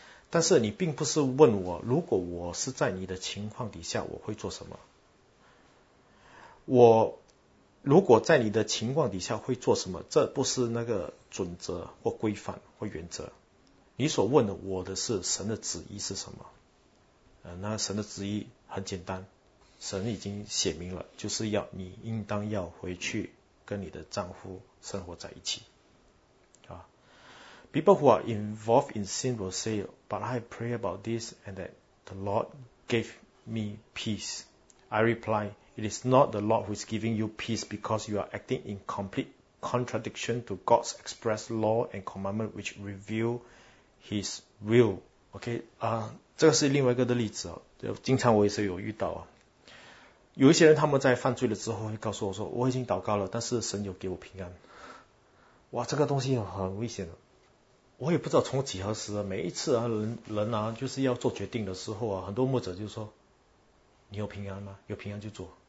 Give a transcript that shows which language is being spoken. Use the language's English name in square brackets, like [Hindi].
[Chinese] 但是你并不是问我，如果我是在你的情况底下我会做什么，我如果在你的情况底下会做什么，这不是那个准则或规范或原则。你所问的我的是神的旨意是什么，那神的旨意很简单，神已经写明了，就是要你应当要回去跟你的丈夫生活在一起。 [English] People who are involved in sin will say, but I pray about this and that the Lord gave me peace. I reply,It is not the Lord who is giving you peace because you are acting in complete contradiction to God's express law and commandment which reveal His will. [Chinese] Okay, 这个是另外一个的例子啊，就经常我也是有遇到啊。有一些人他们在犯罪了之后会告诉我说，我已经祷告了，但是神有给我平安。哇，这个东西很危险的。我也不知道从几何时，每一次啊，人啊，就是要做决定的时候啊，很多牧者就说，你有平安吗？有平安就做。